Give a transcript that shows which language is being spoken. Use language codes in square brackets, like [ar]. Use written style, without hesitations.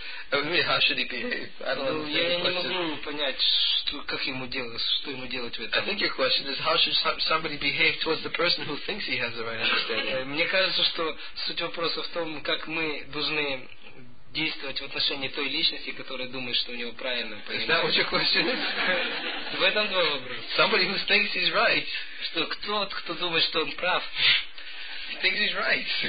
[en] I mean, how should he behave? I don't know. [ru] Я не могу понять, что ему делать в этом. [en] I think your question is how should somebody behave towards the person who thinks he has the right understanding. [ru] Мне кажется, что суть вопроса в том, как мы должны действовать в отношении той личности, которая думает, что у него правильно понимает. [en] Is that what your question is? [ru] В этом два вопроса. [en] Somebody who thinks he's right. [ru] Что тот, кто думает, что он прав. [en] He thinks he's right.